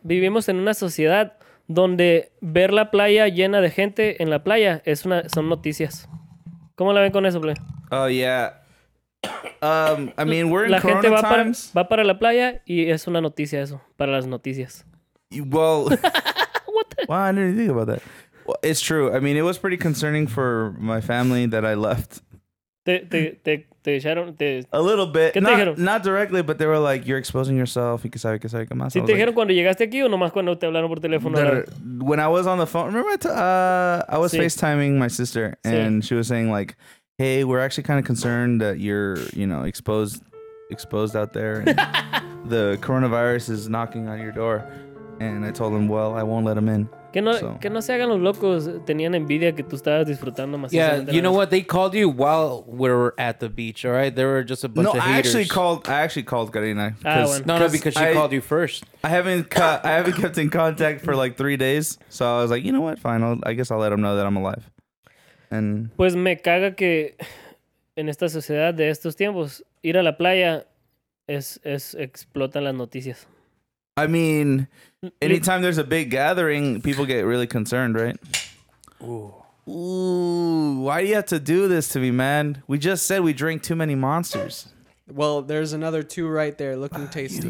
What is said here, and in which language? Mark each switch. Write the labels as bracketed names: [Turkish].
[Spanish] Vivimos en una sociedad donde ver la playa llena de gente en la playa es una, son noticias. ¿Cómo la ven con eso, Play? [English] Oh, yeah. I mean, we're in [Spanish] la corona gente va [English] times. [Spanish] Va para la playa y es una noticia eso, para las noticias. [English] Well... What the... Well, I didn't think about that. Well, it's true. I mean, it was pretty concerning for my family that I left. [Spanish] Te ¿Te dijeron? [English] A little bit. [Spanish] ¿Qué te dijeron? [English] Not directly, but they were like, you're exposing yourself. [Spanish] ¿Y qué sabe? ¿Qué sabe? ¿Qué más? ¿Sí te dijeron cuando llegaste aquí o nomás cuando te hablaron por teléfono? [English] When I was on the phone, remember I was FaceTiming my sister and she was saying like, hey, we're actually kind of concerned that you're, you know, exposed out there. And the coronavirus is knocking on your door. And I told him, well, I won't let him in. [Spanish] Que no se hagan los locos. Tenían envidia que tú estabas disfrutando más. [English] Yeah, you know what? They called you while we were at the beach, all right? There were just a bunch of haters. No, I actually called Karina. Because she called you first. I haven't kept in contact for like 3 days. So I was like, you know what? Fine, I guess I'll let them know that I'm alive. And [Spanish] pues me caga que en esta sociedad de estos tiempos, ir a la playa es explotan las noticias. [English] I mean, anytime there's a big gathering, people get really concerned, right? Ooh, why do you have to do this to me, man? We just said we drink too many monsters. Well, there's another two right there looking tasty.